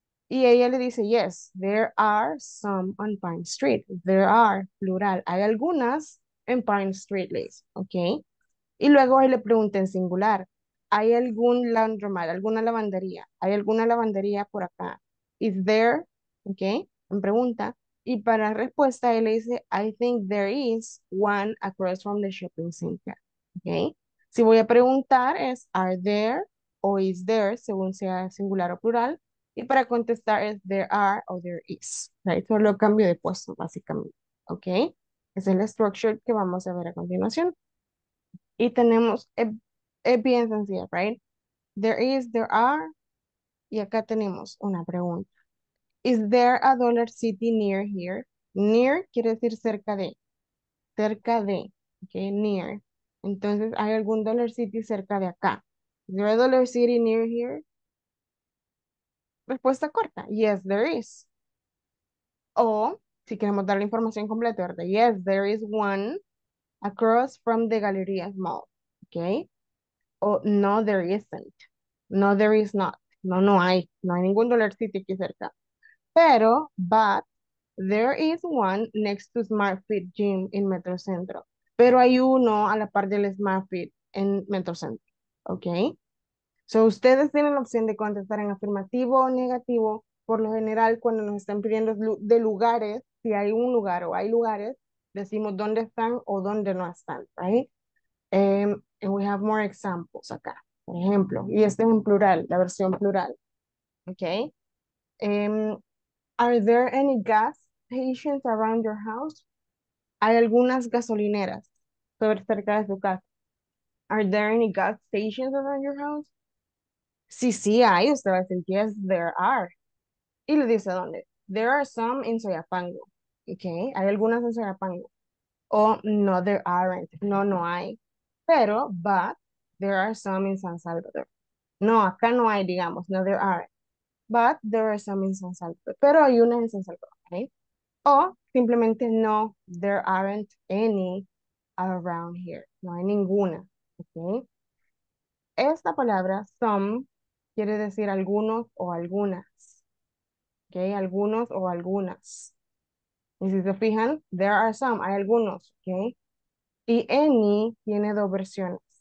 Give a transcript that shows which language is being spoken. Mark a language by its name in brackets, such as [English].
[Spanish] Y ella le dice, [English] yes, there are some on Pine Street. There are, plural, [Spanish] hay algunas en [English] Pine Street, list, okay? [Spanish] Y luego ahí le pregunta en singular, ¿hay algún laundromat, alguna lavandería? ¿Hay alguna lavandería por acá? [English] Is there, okay, [Spanish] en pregunta. Y para respuesta, él le dice, [English] I think there is one across from the shopping center, okay? [Spanish] Si voy a preguntar es [English] are there [Spanish] o [English] is there, [Spanish] según sea singular o plural. Y para contestar es [English] there are [Spanish] o [English] there is. Right? [Spanish] Solo lo cambio de puesto, básicamente. ¿Ok? Esa es la structure que vamos a ver a continuación. Y tenemos, es bien sencilla, [English] right? There is, there are. [Spanish] Y acá tenemos una pregunta. [English] Is there a dollar city near here? [Spanish] Near quiere decir cerca de. Cerca de. ¿Ok? Near. Entonces, ¿hay algún Dollar City cerca de acá? [English] ¿Is there a Dollar City near here? [Spanish] Respuesta corta. [English] Yes, there is. [Spanish] O, si queremos dar la información completa, ¿verdad? [English] Yes, there is one across from the Galería Mall. ¿Ok? O, no, there isn't. No, there is not. [Spanish] No, no hay. No hay ningún Dollar City aquí cerca. [English] Pero, but, there is one next to Smart Fit Gym in Metro Centro. [Spanish] Pero hay uno a la par del Smart Fit en Metro Center, ¿ok? So, ustedes tienen la opción de contestar en afirmativo o negativo. Por lo general, cuando nos están pidiendo de lugares, si hay un lugar o hay lugares, decimos dónde están o dónde no están, ¿right? [English] And we have more examples [Spanish] acá, por ejemplo. Y este es en plural, la versión plural, ¿ok? [English] Are there any gas stations around your house? [Spanish] Hay algunas gasolineras sobre cerca de su casa. [English] Are there any gas stations around your house? [Spanish] Sí, sí, hay. Usted va a decir, [English] yes, there are. [Spanish] Y le dice, ¿dónde? [English] There are some in Soyapango. Okay, [Spanish] hay algunas en Soyapango. [English] O, no, there aren't. [Spanish] No, no hay. [English] Pero, but, there are some in San Salvador. [Spanish] No, acá no hay, digamos. [English] No, there aren't. But, there are some in San Salvador. [Spanish] Pero hay una en San Salvador, okay? O simplemente no, [English] there aren't any around here. [Spanish] No hay ninguna, ¿ok? Esta palabra, some, quiere decir algunos o algunas. ¿Ok? Algunos o algunas. Y si se fijan, [English] there are some, [Spanish] hay algunos, ¿ok? Y any tiene dos versiones.